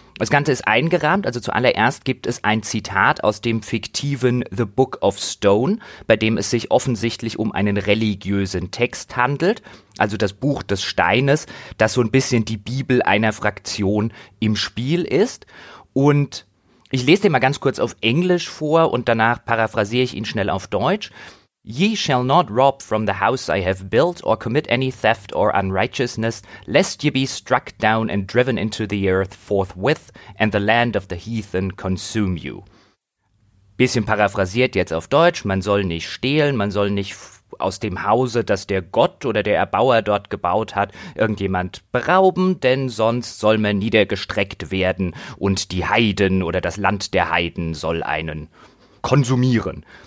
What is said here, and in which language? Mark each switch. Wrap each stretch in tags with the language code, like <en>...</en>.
<de>Das Ganze ist eingerahmt, also zuallererst gibt es ein Zitat aus dem fiktiven The Book of Stone, bei dem es sich offensichtlich um einen religiösen Text handelt, also das Buch des Steines, das so ein bisschen die Bibel einer Fraktion im Spiel ist. Und Ich lese den mal ganz kurz auf Englisch vor und danach paraphrasiere ich ihn schnell auf Deutsch.</de> <en>Ye shall not rob from the house I have built or commit any theft or unrighteousness, lest ye be struck down and driven into the earth forthwith and the land of the heathen consume you.</en> <de>Bisschen paraphrasiert jetzt auf Deutsch, man soll nicht stehlen, man soll nicht aus dem Hause, das der Gott oder der Erbauer dort gebaut hat, irgendjemand berauben, denn sonst soll man niedergestreckt werden und die Heiden oder das Land der Heiden soll einen konsumieren.</de>